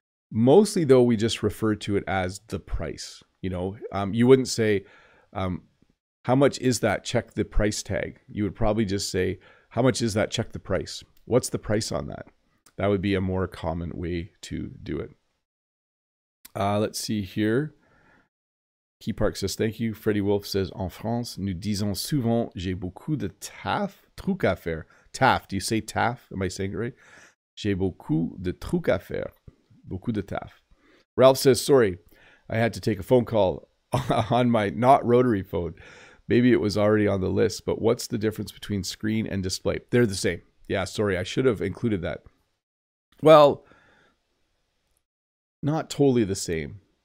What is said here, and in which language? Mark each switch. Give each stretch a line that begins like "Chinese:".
English: Mostly though, we just refer to it as the price. You know, you wouldn't say, how much is that? Check the price tag. You would probably just say, how much is that? Check the price. What's the price on that? That would be a more common way to do it. Let's see here. Key Park says, thank you. Freddie Wolf says,
French: en France, nous disons souvent, j'ai beaucoup de taf, truc à faire.
English: Taf, do you say taf? Am I saying it right?
French: J'ai beaucoup de truc à faire. Beaucoup de taf.
English: Ralph says, sorry, I had to take a phone call on my not rotary phone. Maybe it was already on the list, but what's the difference between screen and display? They're the same. Yeah, sorry, I should have included that. Well, not totally the same.